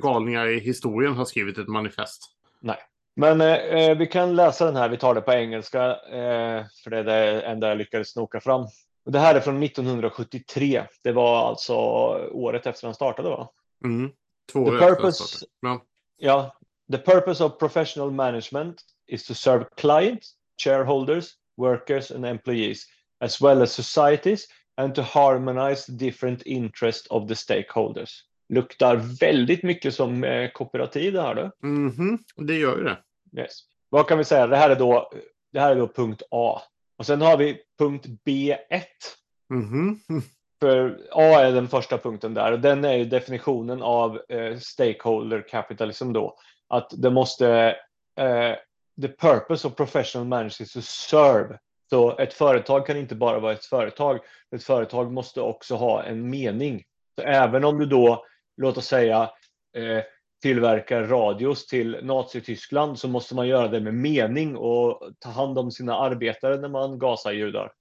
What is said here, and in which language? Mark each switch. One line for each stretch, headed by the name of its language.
Swedish: Galningar i historien har skrivit ett manifest. Nej. Men vi kan läsa den här, vi tar det på engelska, för det är det enda jag lyckades snoka fram. Det här är från 1973, det var alltså året efter han startade, va? Mm, två år efter han startade.
English: Ja, the purpose of professional management is to serve clients, shareholders, workers and employees, as well as societies, and to harmonize different interests of the stakeholders.
Swedish: Luktar väldigt mycket som kooperativ det här då. Mm-hmm, det gör ju det. Yes. Vad kan vi säga? Det här är då punkt A. Och sen har vi punkt B1. Mm-hmm. För A är den första punkten där. Och den är ju definitionen av stakeholder capitalism då. Att det måste...
English: the purpose of professional management is to serve.
Swedish: Så ett företag kan inte bara vara ett företag. Ett företag måste också ha en mening. Så även om du då, låt oss säga, tillverkar radios till Nazi-Tyskland, så måste man göra det med mening och ta hand om sina arbetare när man gasar judar.